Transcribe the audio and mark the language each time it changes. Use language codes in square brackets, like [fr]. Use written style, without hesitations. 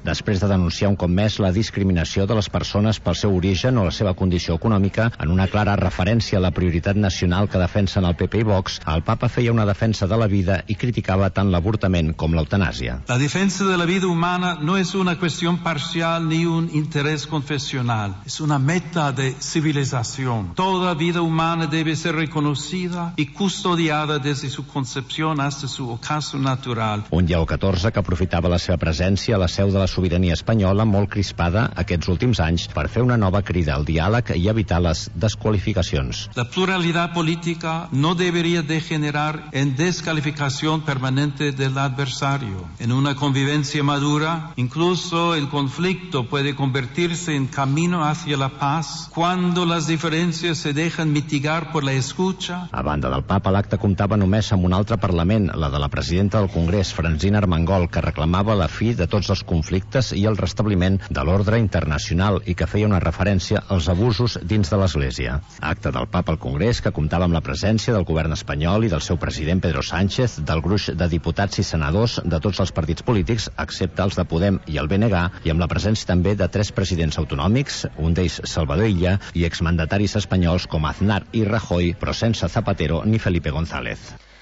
[ca] Després de denunciar un cop més la discriminació de les persones pel seu origen o la seva condició econòmica, en una clara referència a la prioritat nacional que defensen el PP i Vox, el papa feia una defensa de la vida i criticava tant l'avortament com l'eutanàsia. La defensa de la vida humana no és una qüestió parcial ni un interès confessional. [es] Es una meta de civilización. Toda vida humana debe ser reconocida y custodiada desde su concepción hasta su ocaso natural. [ca] Un Lleó XIV que aprofitava la seva presència a la seu de la sobirania espanyola, molt crispada aquests últims anys, per fer una nova crida al diàleg i evitar les desqualificacions. [es] La pluralidad política no debería degenerar en descalificación permanente del adversario. En una convivencia madura, incluso el conflicto puede convertirse en camino hacia la paz cuando las diferencias se dejan mitigar por la escucha. [ca] A banda del papa, l'acte comptava només amb un altre parlament, la de la presidenta del Congrés, Francina Armengol, que reclamava la fi de tots els conflictes i el restabliment de l'ordre internacional i que feia una referència als abusos dins de l'Església. Acte del papa al Congrés, que comptava amb la presència del govern espanyol i del seu president Pedro Sánchez, del gruix de diputats i senadors de tots els partits polítics, excepte els de Podem i el BNG, i amb la presència també de tres presidents autonòmics, un d'ells Salvador Illa, i exmandataris espanyols com Aznar i Rajoy, però sense Zapatero ni Felipe González.